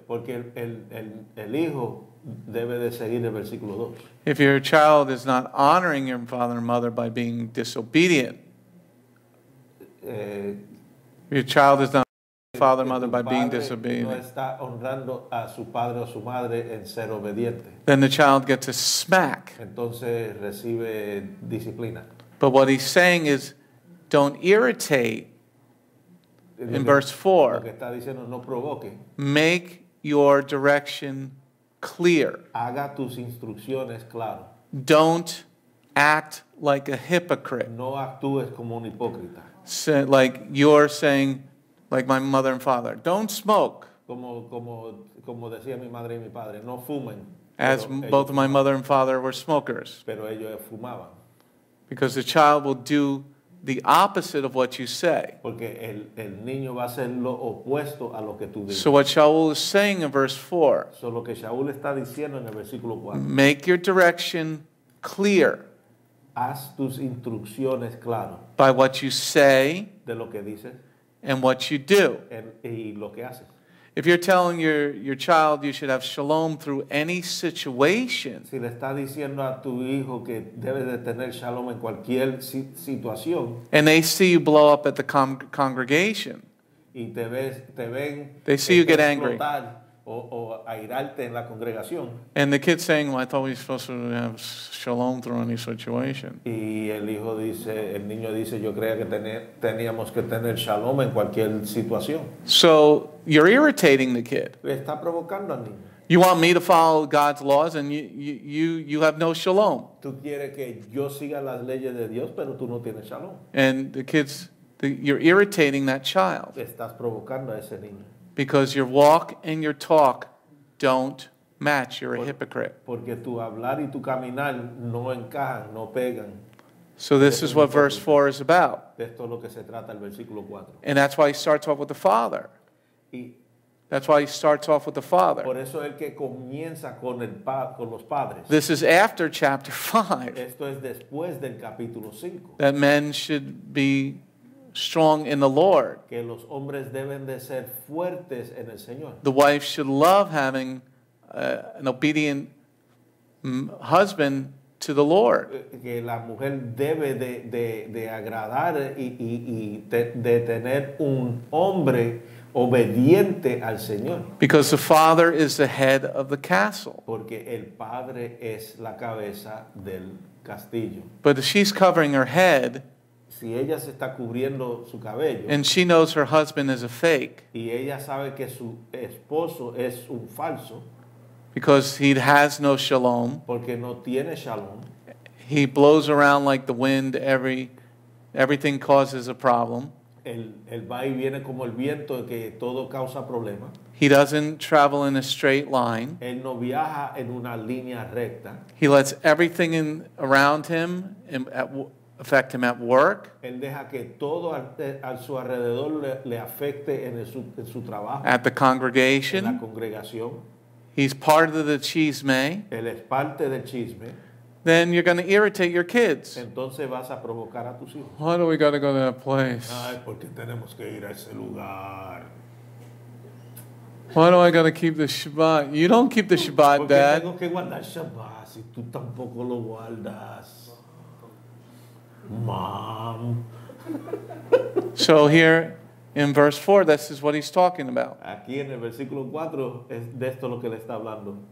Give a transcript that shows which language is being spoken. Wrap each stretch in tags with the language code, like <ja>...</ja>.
<es>Porque el hijo debe de seguir el versículo 2.</es> <en>If your child is not honoring your father and mother by being disobedient, your child is not honoring your father and mother by being disobedient,</en> <es>no está honrando a su padre o su madre en ser obediente.</es> <en>Then the child gets a smack.</en> <es>Entonces recibe disciplina.</es> <en>But what he's saying is, don't irritate. In verse 4,</en> <es>lo que está diciendo, no provoque.</es> <en>Make your direction clear.</en> <es>Haga tus instrucciones claro.</es> <en>Don't act like a hypocrite.</en> <es>No actúes como un hipócrita.</es> <en>So, like you're saying, like my mother and father, don't smoke.</en> <es>Como decía mi madre y mi padre, no fumen.</es> <en>As both my mother and father were smokers.</en> <es>Pero ellos fumaban.</es> <en>Because the child will do the opposite of what you say.</en> <es>Porque el niño va a hacer lo opuesto a lo que tú dices.</es> <en>So what Shaul is saying in verse 4.</en> <es>So lo que Shaul está diciendo en el versículo 4.</es> <en>Make your direction clear.</en> <es>Haz tus instrucciones claro.</es> <en>By what you say.</en> <es>De lo que dices.</es> <en>And what you do.</en> <es>Y lo que haces.</es> <en>If you're telling your child you should have shalom through any situation,</en> <es>si le está diciendo a tu hijo que debe de tener shalom en cualquier situación,</es> <en>and they see you blow up at the congregation,</en> <es>y te ven,</es> <en>they see you get angry,</en> <es>o airarte en la congregación.</es> <en>And the kid saying, well, I thought we were supposed to have shalom through any situation.</en> <es>Y el hijo dice, el niño dice, yo creía que teníamos que tener shalom en cualquier situación.</es> <en>So you're irritating the kid.</en> <es>Le está provocando al niño.</es> <en>You want me to follow God's laws and you have no shalom.</en> <es>Tú quieres que yo siga las leyes de Dios, pero tú no tienes shalom.</es> <en>And the kids, you're irritating that child.</en> <es>Estás provocando a ese niño.</es> <en>Because your walk and your talk don't match. You're a hypocrite.</en> <es>Porque tu hablar y tu caminar no encajan, no pegan.</es> <en>So this is what verse 4 is about.</en> <es>Esto es lo que se trata el versículo 4.</es> <en>And that's why he starts off with the Father. That's why he starts off with the Father.</en> <es>Por eso el que comienza con el con los padres.</es> <en>This is after chapter 5.</en> <es>Esto es después del capítulo 5.</es> <en>That men should be strong in the Lord.</en> <es>Que los hombres deben de ser fuertes en el Señor.</es> <en>The wife should love having an obedient husband to the Lord.</en> <es>Que la mujer debe de agradar y de tener un hombre obediente al Señor.</es> <en>Because the father is the head of the castle.</en> <es>Porque el padre es la cabeza del castillo.</es> <en>But if she's covering her head,</en> <es>si ella se está cubriendo su cabello,</es> <en>and she knows her husband is a fake,</en> <es>y ella sabe que su esposo es un falso,</es> <en>because he has no shalom,</en> <es>porque no tiene shalom,</es> <en>he blows around like the wind, everything causes a problem.</en> <es>El va y viene como el viento que todo causa problema.</es> <en>He doesn't travel in a straight line.</en> <es>Él no viaja en una línea recta.</es> <en>He lets everything in around him affect him at work.</en> <es>Él deja que todo a su alrededor le afecte en su trabajo.</es> <en>At the congregation.</en> <es>En la congregación.</es> <en>He's part of the chisme.</en> <es>Él es parte del chisme.</es> <en>Then you're going to irritate your kids.</en> <es>Entonces vas a provocar a tus hijos.</es> <en>Why do we got to go to that place?</en> <es>Ay, porque tenemos que ir a ese lugar.</es> <en>Why do I got to keep the Shabbat? You don't keep the Shabbat,</en> <es>porque</es> <en>Dad.</en> <es>Tengo que guardar Shabbat si tú tampoco lo guardas.</es> <en>Mom. So here in verse 4, this is what he's talking about.</en> <es>Aquí en el versículo 4 es de esto lo que le está hablando.</es>